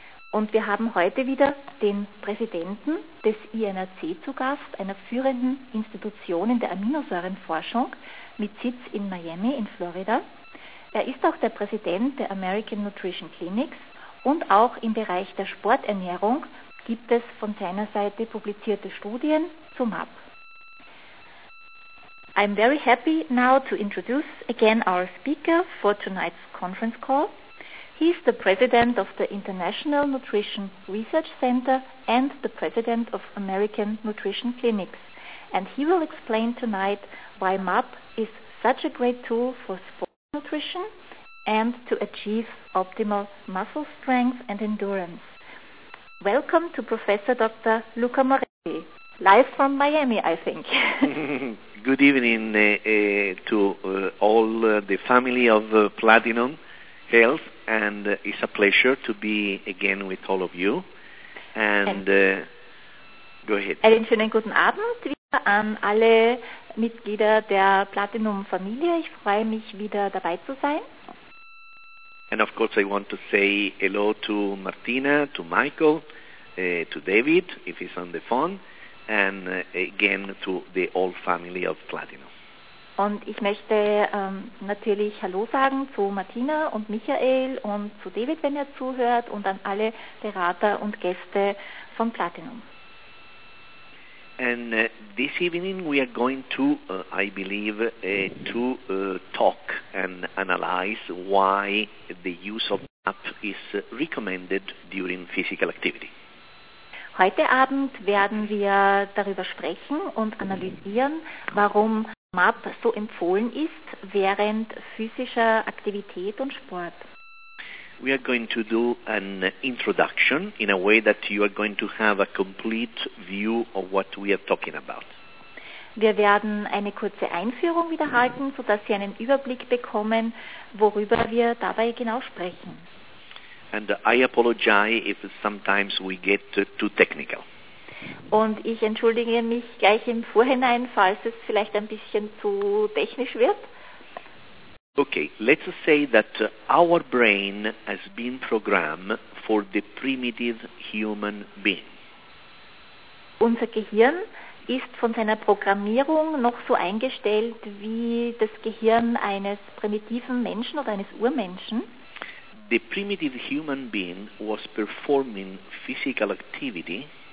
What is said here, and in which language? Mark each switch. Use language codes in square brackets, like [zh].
[de] Und wir haben heute wieder den Präsidenten des INRC zu Gast, einer führenden Institution in der Aminosäurenforschung mit Sitz in Miami in Florida. Er ist auch der Präsident der American Nutrition Clinics und auch im Bereich der Sporternährung gibt es von seiner Seite publizierte Studien zu MAP. [en] I'm very happy now to introduce again our speaker for tonight's conference call. He is the president of the International Nutrition Research Center and the president of American Nutrition Clinics. And he will explain tonight why MAP is such a great tool for sport nutrition and to achieve optimal muscle strength and endurance. Welcome to Professor Dr. Luca Moretti, live from Miami, I think. Good evening to all the family of Platinum Health. And it's a pleasure to be again with all of you. And go ahead. [de] Einen schönen guten Abend wieder an alle Mitglieder der Platinum-Familie. Ich freue mich, wieder dabei zu sein. [en] And of course I want to say hello to Martina, to Michael, to David, if he's on the phone, and again to the whole family of Platinum. [de] Und ich möchte natürlich Hallo sagen zu Martina und Michael und zu David, wenn er zuhört, und an alle Berater und Gäste von Platinum. [en] And this evening we are going to, I believe, to talk and analyze why the use of MAP is recommended during physical activity. [de] Heute Abend werden wir darüber sprechen und analysieren, warum MAP so empfohlen ist während physischer Aktivität und Sport. [en] We are going to do an introduction in a way that you are going to have a complete view of what we are talking about. [de] Wir werden eine kurze Einführung wiederhalten, sodass Sie einen Überblick bekommen, worüber wir dabei genau sprechen. [en] And I apologize if sometimes we get too technical. [de] Und ich entschuldige mich gleich im Vorhinein, falls es vielleicht ein bisschen zu technisch wird. [en] Okay, let's say that our brain has been programmed for the primitive human being. [de] Unser Gehirn ist von seiner Programmierung noch so eingestellt wie das Gehirn eines primitiven Menschen oder eines Urmenschen? [en] The primitive human being was performing physical activity.